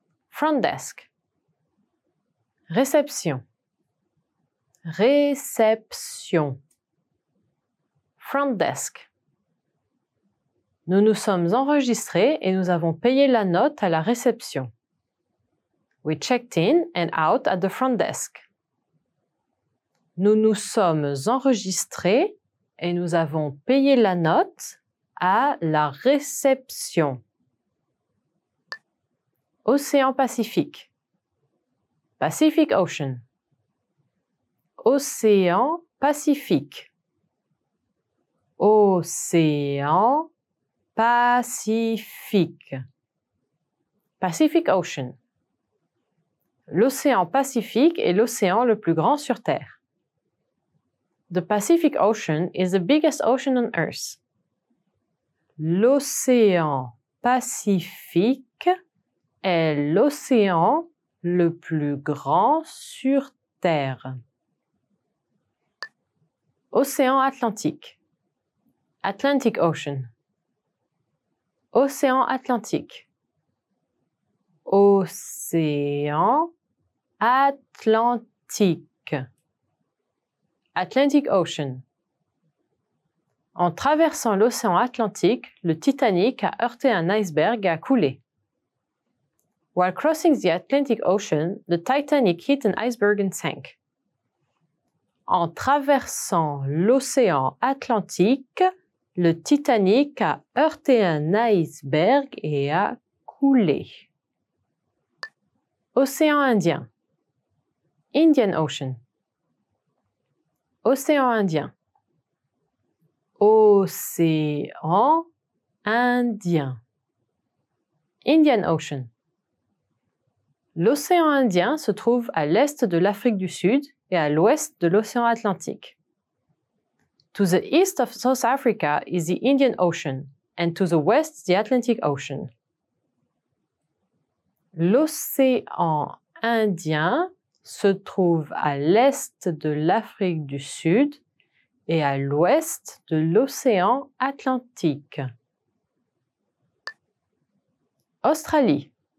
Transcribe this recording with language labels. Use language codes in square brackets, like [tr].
[en] Front desk. [fr] Réception. Réception. [en] Front desk. [fr] Nous nous sommes enregistrés et nous avons payé la note à la réception. [en] We checked in and out at the front desk. [fr] Nous nous sommes enregistrés et nous avons payé la note à la réception. Océan Pacifique. [en] Pacific Ocean. Océan Pacifique. [fr] Océan Pacifique. [en] Pacific Ocean. [fr] L'océan Pacifique est l'océan le plus grand sur Terre. [en] The Pacific Ocean is the biggest ocean on Earth. [fr] L'océan Pacifique est l'océan le plus grand sur Terre. Océan Atlantique. [en] Atlantic Ocean. [fr] Océan Atlantique. Océan Atlantique. [en] Atlantic Ocean. [fr] En traversant l'océan Atlantique, le Titanic a heurté un iceberg et a coulé. [en] While crossing the Atlantic Ocean, the Titanic hit an iceberg and sank. [fr] En traversant l'océan Atlantique, le Titanic a heurté un iceberg et a coulé. Océan Indien. [en] Indian Ocean. [fr] Océan Indien. Océan Indien. [en] Indian Ocean. [fr] L'océan Indien se trouve à l'est de l'Afrique du Sud et à l'ouest de l'océan Atlantique. [en] To the east of South Africa is the Indian Ocean and to the west the Atlantic Ocean. [fr] L'océan Indien se trouve à l'est de l'Afrique du Sud et à l'ouest de l'océan Atlantique. Australie.